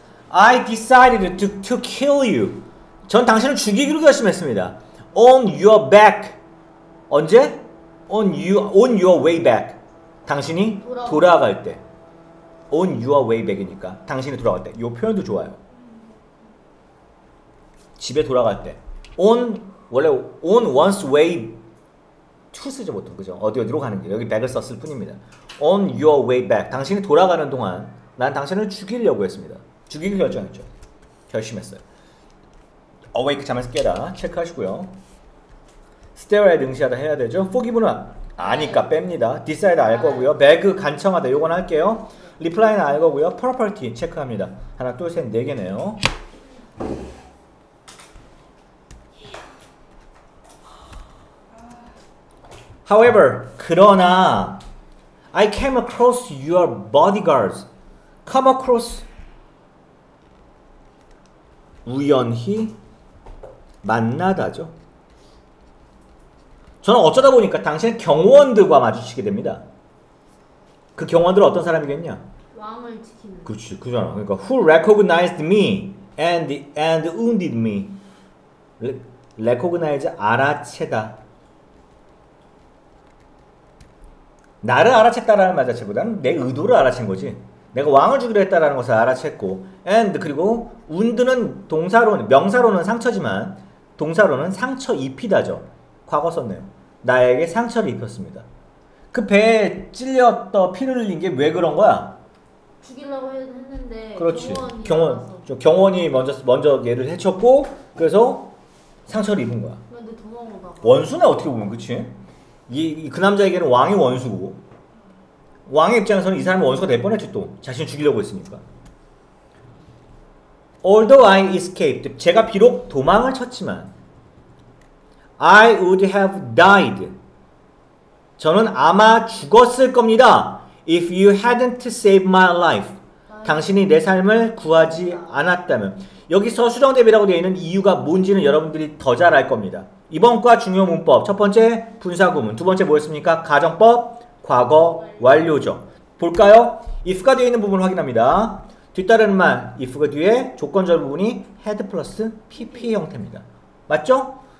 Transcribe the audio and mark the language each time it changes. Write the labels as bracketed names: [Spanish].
[English] I decided to kill you. [Korean] 전 당신을 죽이기로 결심했습니다. [English] On your back. [Korean] 언제? [English] On your way back. [Korean] 당신이 돌아갈 때. On your way back이니까 당신이 돌아갈 때. 이 표현도 좋아요. 집에 돌아갈 때. 원래 on one's way. 투 쓰죠 보통 그죠? 어디로 가는 길 여기 back을 썼을 뿐입니다. [English] On your way back, [Korean] 당신이 돌아가는 동안 난 당신을 죽이려고 했습니다. 죽이기 결정했죠. 결심했어요. Awake 잠에서 깨라 체크하시고요. Stare at 응시하다 해야 되죠. Forgive는 아니까 뺍니다. Decide 알 거고요. Beg 간청하다 요건 할게요. Reply는 알 거고요. Property 체크합니다. 하나 둘셋네 개네요. [English] However, [Korean] 그러나 [English] I came across your bodyguards. [Korean] Come across 우연히 만나다죠. 저는 어쩌다 보니까 당신의 경호원들과 마주치게 됩니다. 그 경호원들은 어떤 사람이겠냐? 왕이요. 왕을 지키는. 그렇지, 그잖아. 그러니까 [English] who recognized me and wounded me. [Korean] recognize 알아채다. 나를 알아챘다라는 말 자체보다는 내 의도를 알아챈 거지. 내가 왕을 죽이려 했다라는 것을 알아챘고, and 그리고 wound는 동사로는 명사로는 상처지만 동사로는 상처 입히다죠. 과거 썼네요. 나에게 상처를 입혔습니다. 그 배에 찔렸던 피를 흘린 게 왜 그런 거야? 죽이려고 했는데. 그렇지. 경원이 먼저 얘를 해쳤고, 그래서 상처를 입은 거야. 근데 도망오다가. 원수네 어떻게 보면, 그렇지? 이 그 남자에게는 왕이 원수고. 왕의 입장에서는 이 사람이 원수가 될 뻔했지 또. 자신을 죽이려고 했으니까. [English] Although I escaped, [Korean] 제가 비록 도망을 쳤지만, [English] I would have died. [Korean] 저는 아마 죽었을 겁니다. [English] If you hadn't saved my life. [Korean] 당신이 내 삶을 구하지 않았다면. 여기서 수정됨이라고 되어 있는 이유가 뭔지는 여러분들이 더 잘 알 겁니다. 이번 과 중요 문법. 첫 번째 분사구문. 두 번째 뭐였습니까? 가정법. 과거 완료죠. 볼까요? if가 되어 있는 부분 확인합니다. 뒤따르는 말 if가 뒤에 조건절 부분이 had 플러스 pp 형태입니다. 맞죠?